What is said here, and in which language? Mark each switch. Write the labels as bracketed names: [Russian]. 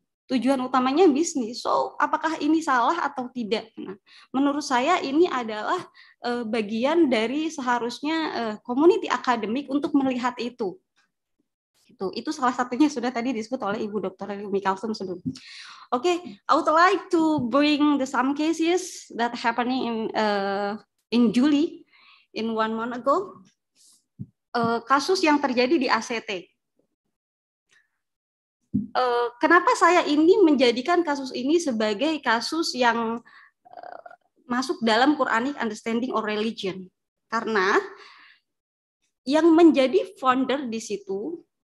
[Indonesian] tujuan utamanya bisnis so apakah ini salah atau tidak nah menurut saya ini adalah bagian dari seharusnya community akademik untuk melihat itu. Itu salah satunya sudah tadi disebut oleh Ibu Dr. Umi Kalsum sebelum. [English] Oke, okay, I would like to bring the some cases that happening in July in one month ago. [Indonesian] Kasus yang terjadi di ACT. Kenapa saya ini menjadikan kasus ini sebagai kasus yang masuk dalam [English] Quranic understanding or religion? [Indonesian] Karena yang menjadi founder di situ